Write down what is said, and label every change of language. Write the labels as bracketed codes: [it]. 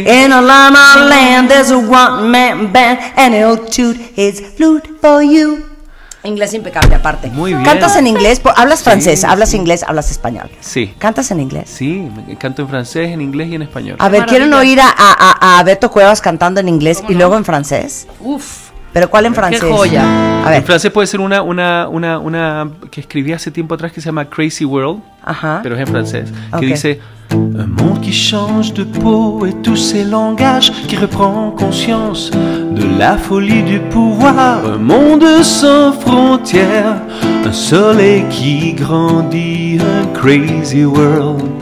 [en] In a llama land, there's a one-man band, and he'll toot his flute for you. [es] Inglés impecable, aparte. Muy bien. ¿Cantas en inglés? ¿Hablas francés? Sí. ¿Hablas inglés? ¿Hablas español? Sí. ¿Cantas en inglés? Sí, canto en francés, en inglés y en español. A ver, ¿quieren oír a Beto Cuevas cantando en inglés y no, luego en francés? Uf. ¿Pero cuál en francés? ¡Qué joya! A ver. En francés puede ser una que escribí hace tiempo atrás que se llama Crazy World. Ajá. Pero es en francés. Okay. Que dice... [fr] Un monde qui change de peau et tous ses langages qui reprend conscience de la folie du pouvoir. Un monde sans frontières, un soleil qui grandit, un [en] crazy world.